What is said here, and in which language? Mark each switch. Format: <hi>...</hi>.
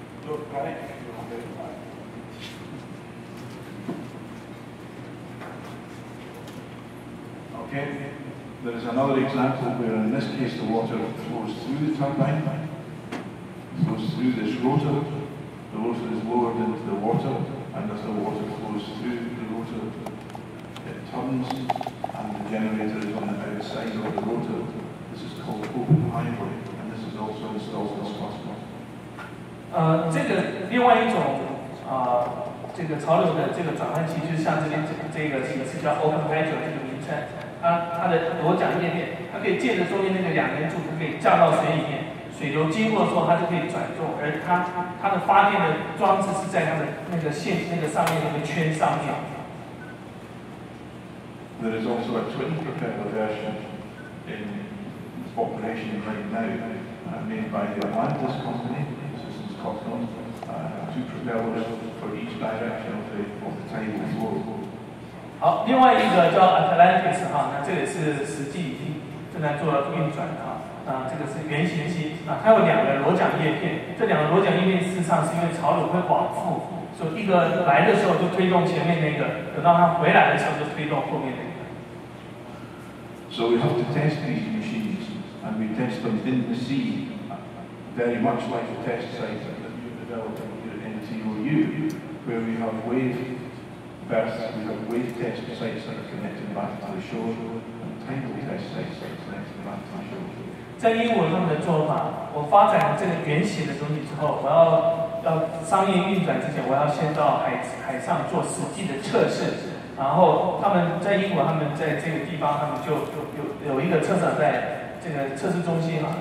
<en>Okay, there is another example where in this case the water flows through the turbine, flows through this rotor, the rotor is lowered into the water, and as the water flows through the rotor, it turns, and the generator is on the outside of the rotor. This is called open highway, and this is also installed in Scotland.</en> <zh>这个另外一种，这个潮流的这个转换器，就像这个形式叫 open hydro 这个名称。它的螺桨叶面，它可以借着中间那个两根柱，它可以降到水里面，水流经过的时候，它就可以转动。而它的发电的装置是在它的那个线那个上面那个圈上面。</zh> <en>There is also a twin propeller version in operation right now, made by the Atlantis company. This is Scotland. Two propellers for each direction of the tidal flow.</en> <zh>好，另外一个叫 Atlantis 哈，那这个是实际已经正在做运转的哈，那这个是原型机，那它有两个螺桨叶片，这两个螺桨叶片事实上是因为潮流会往复，所以一个来的时候就推动前面那个，等到它回来的时候就推动后面那个。</zh> <en>So we have to test these machines, and we test them in the sea, very much like the test site that you've developed here at NTOU, where we have wave. First, we have wave test sites that are connected back to the shore, and tidal test sites that are connected back to the shore.</en> <zh>在英国用的做法，我发展这个原型的东西之后，我要商业运转之前，我要先到海上做实际的测试。然后他们在英国，他们在这个地方，他们就有一个测试在这个测试中心嘛。</zh>